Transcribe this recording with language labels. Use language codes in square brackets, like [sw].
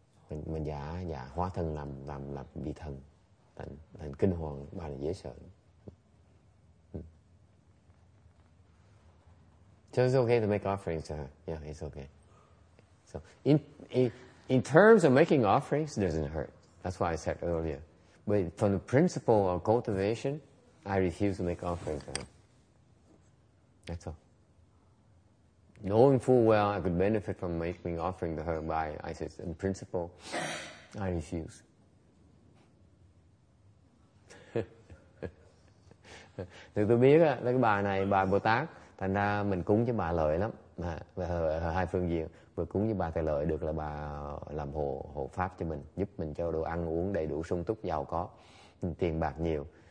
[vi] Mình giả giả hóa thân làm vị thần thành kinh hoàng, bà là dễ sợ. [en] So it's okay to make offerings to her. Yeah, it's okay. So in terms of making offerings, it doesn't hurt. That's why I said earlier. But from the principle of cultivation, I refuse to make offerings to her. That's all. Knowing full well I could benefit from making offering to her, by I said in principle, I refuse. [vi] Thì tôi biết á, cái bà này bà Bồ Tát, thành ra mình cúng cho bà lợi lắm, mà hai phương diện, vừa cúng cho bà thì lợi được là bà làm hộ pháp cho mình, giúp mình cho đồ ăn uống đầy đủ sung túc giàu có, tiền bạc nhiều.